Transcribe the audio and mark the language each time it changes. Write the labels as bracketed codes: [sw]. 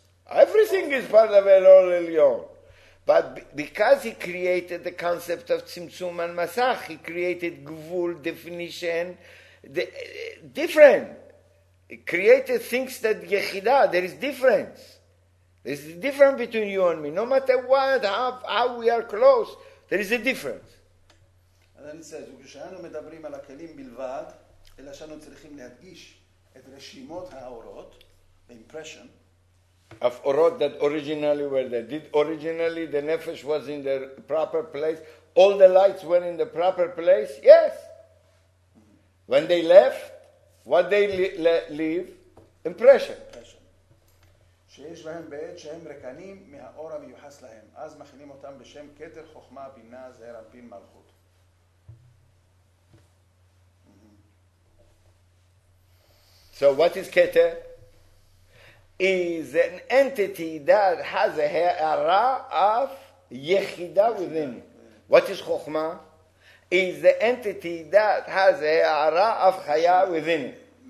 [en] Everything is part of Or Elyon. But because he created the concept of Tzimtzum and Masach, he created Gvul, definition, different. He created things that Yechida, there is difference. There is a difference between you and me. No matter what, how we are close, there is a difference. And then it says, [he] וכשאנו מדברים על הכלים בלבד, אלא שאנו צריכים להדגיש את רשימות האורות, [en] the impression, of Orot that originally were there. Did originally the Nefesh was in the proper place? All the lights were in the proper place? Yes. When they left, what they leave? Impression. [he] שיש להם בעת שהם רקנים מהאור המיוחס להם. אז מכינים אותם בשם כתר חוכמה בינה זהר הפין מלכות. [en] So what is כתר? Is an entity that has a ha'ara of yechida within it. What is Chokhmah? Is the entity that has a ha'ara of chaya within it.